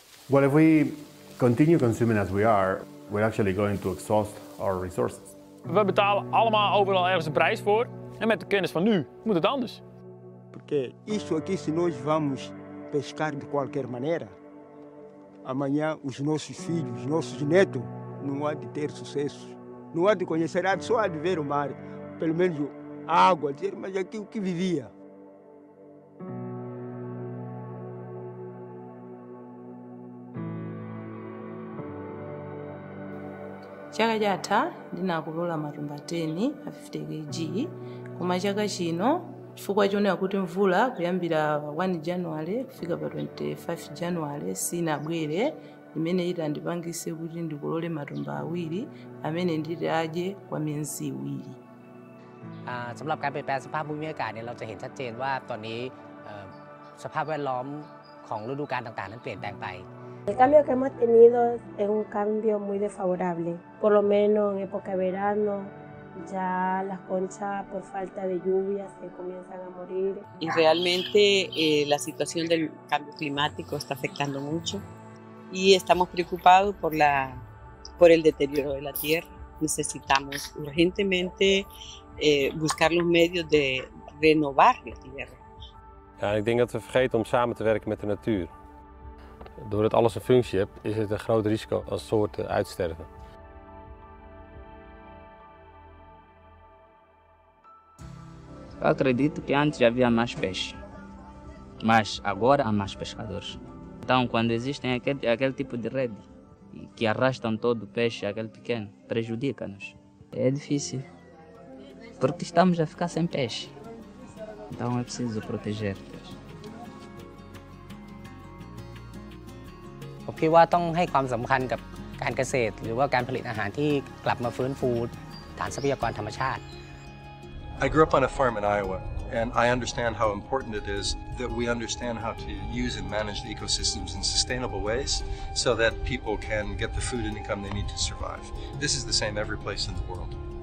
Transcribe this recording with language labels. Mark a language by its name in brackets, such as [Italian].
[English] Well, if we continue consuming as we are, we're actually going to exhaust our resources. [Dutch] We betalen allemaal overal ergens een prijs voor. En met de kennis van nu moet het anders. [Portuguese] Porque isso aqui, se nós vamos pescar de qualquer maneira, amanhã os nossos filhos, os nossos netos, não há de ter sucesso. Não há de conhecer nada, só há de ver o mar, pelo menos a água, dizer, mas aqui o que vivia. [Nyanja] Chaka jata, ndinakulola matumba 10 a 50 kg. Kuma chaka chino, chukwa jone akuti mvula kuyambira 1 January kufika pa 25 January sina bwere imene ita ndipangise kuti ndikolole matumba awiri amene ndite aje kwa miezi iwiri [Thai] สำหรับการเปลี่ยนแปลงสภาพภูมิอากาศเนี่ยเราจะเห็นชัดเจนว่าตอนนี้สภาพแวดล้อมของฤดูกาลต่างๆนั้นเปลี่ยนแปลงไป [Spanish] El cambio que hemos tenido es un cambio muy desfavorable. Por lo menos en época de verano, ya las conchas por falta de lluvia se comienzan a morir. Y realmente la situación del cambio climático está afectando mucho y estamos preocupados por el deterioro de la tierra. Necesitamos urgentemente buscar los medios de renovar la tierra. [Dutch] Ja, ik denk dat we vergeten om samen te werken met de natuur. Doordat alles een functie heeft, is het een groot risico als soorten uitsterven. [Portuguese] Ik acredito que antes havia mais peixe. Mas agora há mais pescadores. Então, quando existem aquele tipo de rede que arrastam todo o peixe, aquele pequeno, prejudica-nos. É difícil. Porque estamos a ficar sem peixe. Então é preciso proteger. [Thai] ผมคิดว่าต้องให้ความสำคัญกับการเกษตรหรือว่าการผลิตอาหารที่กลับมาฟื้นฟูฐานทรัพยากรธรรมชาติ [English] I grew up on a farm in Iowa and I understand how important it is that we understand how to use and manage the ecosystems in sustainable ways so that people can get the food and income they need to survive. This is the same every place in the world.